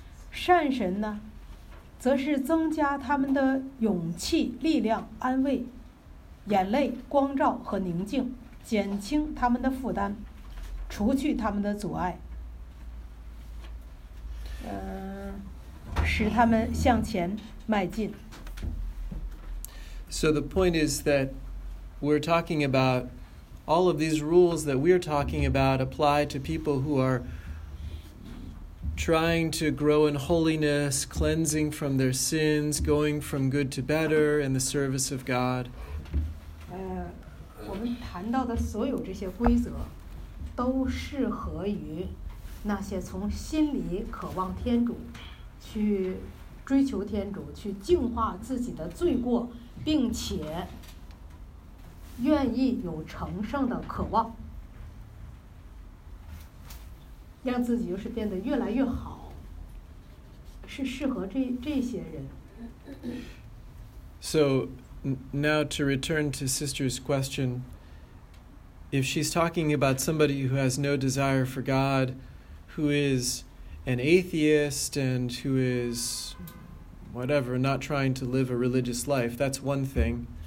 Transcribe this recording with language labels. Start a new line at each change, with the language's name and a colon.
Chinese: 善神呢，则是增加他们的勇气、力量、安慰、眼泪、光照和宁静，减轻他们的负担，除去他们的阻碍，使他们向前迈进。
English: So the point is that we're talking about all of these rules that we're talking about apply to people who are trying to grow in holiness, cleansing from their sins, going from good to better in the service of God.
Chinese: 我们谈到的所有这些规则都适合于那些从心里渴望天主，去追求天主，去净化自己的罪过，并且愿意有成圣的渴望，让自己就是变得越来越好，是适合这些人。
English: So now to return to Sister's question, if she's talking about somebody who has no desire for God, who is an atheist and who is whatever, not trying to live a religious life, that's one thing.